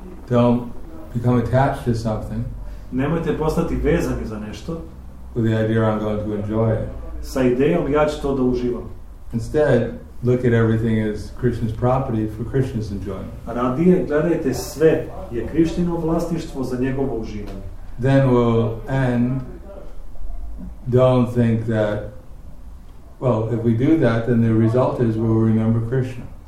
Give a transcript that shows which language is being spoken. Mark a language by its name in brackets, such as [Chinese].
[English] Don't become attached to something. [Serbian] nemojte postati vezani za nešto. [English] With the idea I'm going to enjoy it. [Serbian] Sa idejom ja ću to da uživam. [English] Instead, look at everything as Krishna's property for Krishna's enjoyment. [Serbian] Radije gledajte sve je Krišnino vlasništvo za njegovo uživanje. [English] Then we'll end. Don't think that. Well, if we do that, then the result is we'll remember Krishna.